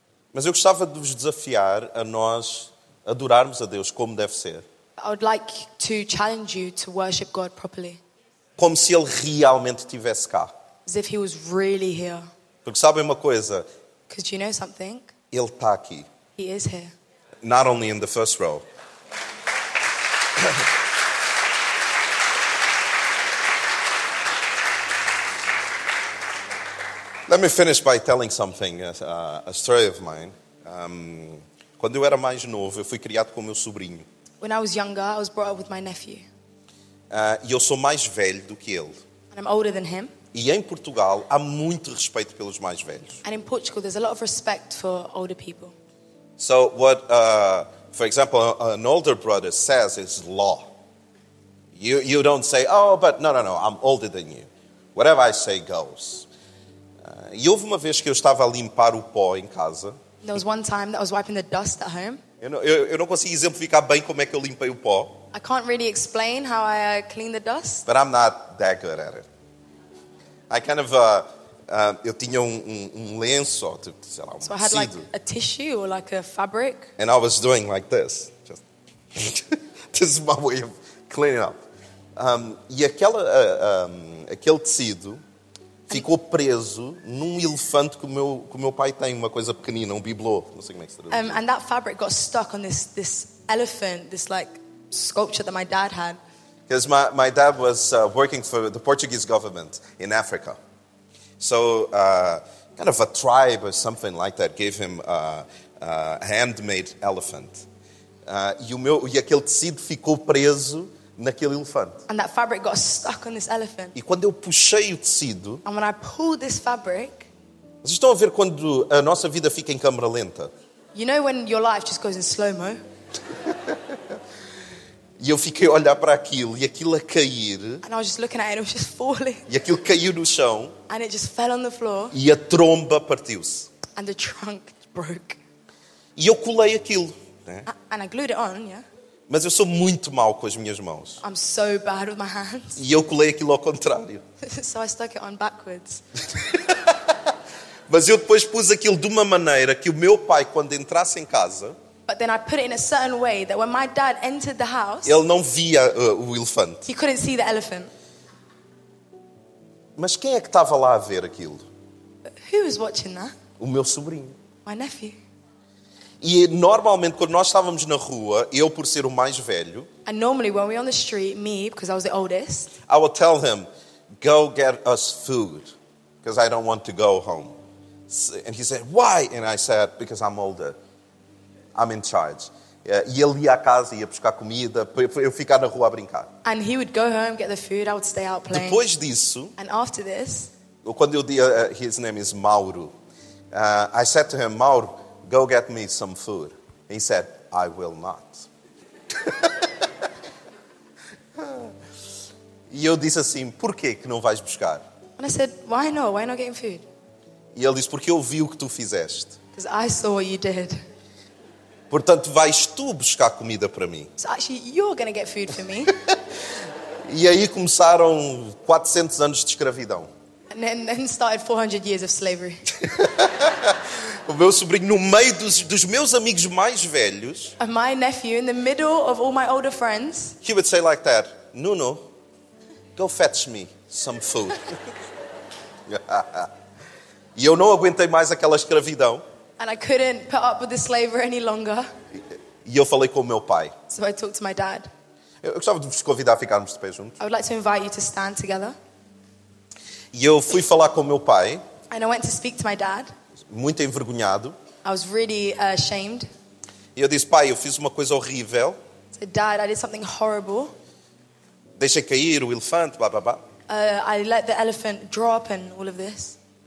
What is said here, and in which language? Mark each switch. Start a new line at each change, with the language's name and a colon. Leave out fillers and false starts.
Portuguese: Mas eu gostava de vos desafiar a nós adorarmos a Deus como deve ser.
English: I would like to challenge you to worship God properly.
Portuguese: Como se Ele realmente estivesse cá.
English: As if He was really here.
Portuguese: Porque sabem uma coisa?
English: Because you know something?
Portuguese: Ele está aqui.
English: He is here. Not only in the first row. Let me finish by telling something, a story of mine.
Portuguese: Quando eu era mais novo, eu fui criado com o meu sobrinho.
English: When I was younger, I was brought up with my nephew.
Portuguese: E eu sou mais velho do que ele.
English: And I'm older than him.
Portuguese: E em Portugal, há muito respeito pelos mais velhos.
English: And in Portugal, there's a lot of respect for older people. So what, for example, an older brother says is law. You don't say, oh, but no, I'm older than you. Whatever I say goes.
Portuguese: E houve uma vez que eu estava a limpar o pó em casa.
English: There was one time that I was wiping the dust at home.
Portuguese: Eu não consigo exemplificar bem como é que eu limpei o pó.
English: I can't really explain how I clean the dust. But I'm not that good at it. I kind of,
Portuguese: eu tinha um lenço, tipo, sei lá,
English: so I had
Portuguese: tecido.
English: Like a tissue or like a fabric. And I was doing like this. Just this is my way of cleaning up.
Portuguese: E aquele tecido ficou preso num elefante que o meu pai tem, uma coisa pequenina, um biblô, não sei como é que se traduz.
English: And that fabric got stuck on this elephant, this like sculpture that my dad had. Because my dad was working for the Portuguese government in Africa. So kind of a tribe or something like that gave him a handmade elephant.
Portuguese: E aquele tecido ficou preso naquele elefante.
English: And that fabric got stuck on this elephant.
Portuguese: E quando eu puxei o tecido.
English: And when I pulled this fabric.
Portuguese: Vocês estão a ver quando a nossa vida fica em câmera lenta?
English: You know when your life just goes in slow-mo?
Portuguese: E eu fiquei a olhar para aquilo e aquilo a cair.
English: And I was just looking at it and it was just falling.
Portuguese: E aquilo caiu no chão.
English: And it just fell on the floor.
Portuguese: E a tromba partiu-se.
English: And the trunk broke.
Portuguese: E eu colei aquilo. Né?
English: And I glued it on, yeah.
Portuguese: Mas eu sou muito mau com as minhas mãos.
English: I'm so bad with my hands.
Portuguese: E eu colei aquilo ao contrário.
English: So I stuck it on backwards.
Portuguese: Mas eu depois pus aquilo de uma maneira que o meu pai, quando entrasse em casa,
English: But then I put it in a certain way that when my dad entered the house,
Portuguese: ele não via o elefante.
English: He couldn't see the elephant.
Portuguese: Mas quem é que estava lá a ver aquilo?
English: Who was watching that?
Portuguese: O meu sobrinho.
English: My nephew.
Portuguese: E normalmente quando nós estávamos na rua, eu por ser o mais velho,
English: and normally when we were on the street, me, because I was the oldest, I would tell him, go get us food, because I don't want to go home. And he said, why? And I said, because I'm older. I'm in charge.
Portuguese: E ele ia à casa, ia buscar comida, para eu ficar na rua a brincar.
English: And he would go home, get the food, I would stay out playing.
Portuguese: Depois disso,
English: and after this,
Portuguese: quando eu dia,
English: his name is Mauro, I said to him, Mauro, go get me some food. He said, I will not.
Portuguese: E eu disse assim, por que que não vais buscar?
English: And I said, why not? Why not getting food?
Portuguese: E ele disse, porque eu vi o que tu fizeste.
English: Because I saw what you did.
Portuguese: Portanto, vais tu buscar comida para mim.
English: So actually, you're going to get food for me.
Portuguese: E aí começaram 400 anos de escravidão.
English: And then started 400 years of slavery.
Portuguese: O meu sobrinho, no meio dos meus amigos mais velhos,
English: and my nephew, in the middle of all my older friends, he would say like that, Nuno, go fetch me some food.
Portuguese: E eu não aguentei mais aquela escravidão.
English: And I couldn't put up with the slavery any longer.
Portuguese: E eu falei com o meu pai.
English: So I talked to my dad.
Portuguese: Eu gostava de vos convidar a ficarmos de pé juntos.
English: I would like to invite you to stand together.
Portuguese: E eu fui falar com o meu pai.
English: And I went to speak to my dad.
Portuguese: Muito envergonhado.
English: I was really ashamed.
Portuguese: E eu disse, pai, eu fiz uma coisa horrível.
English: So, dad, I did something horrible.
Portuguese: Deixei cair o elefante, blah, blah, blah.
English: I let the elephant drop and all of this.